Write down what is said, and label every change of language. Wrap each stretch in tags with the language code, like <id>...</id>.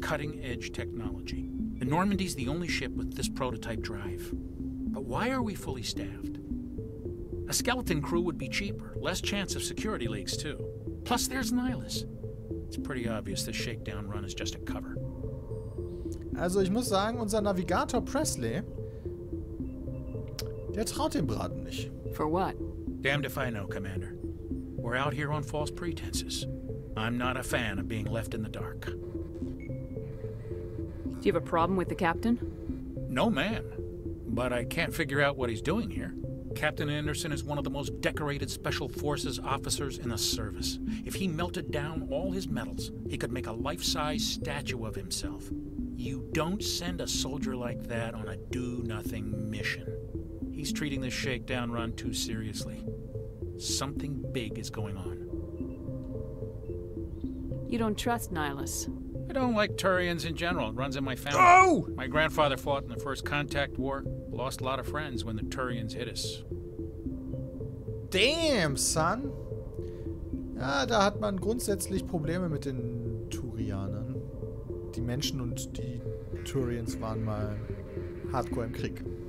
<en>Cutting-edge technology. The Normandy's the only ship with this prototype drive. But why are we fully staffed? A skeleton crew would be cheaper. Less chance of security leaks, too. Plus, there's Nihlus. It's pretty obvious this shakedown run is just a cover.</en> <de>Also, ich muss sagen, unser Navigator Presley, der traut dem Braten nicht.</de> <en>For what? Damned if I know, Commander. We're out here on false pretenses. I'm not a fan of being left in the dark. Do you have a problem with the captain? No, ma'am. But I can't figure out what he's doing here. Captain Anderson is one of the most decorated special forces officers in the service. If he melted down all his medals, he could make a life-size statue of himself. You don't send a soldier like that on a do-nothing mission. He's treating this shakedown run too seriously. Something big is going on. You don't trust Nihlus? I don't like Turians in general. It runs in my family. Oh! My grandfather fought in the First Contact War. Lost a lot of friends when the Turians hit us. Damn, son!</en> <de>Ja, da hat man grundsätzlich Probleme mit den Turianern. Die Menschen und die Turians waren mal hardcore im Krieg.</de>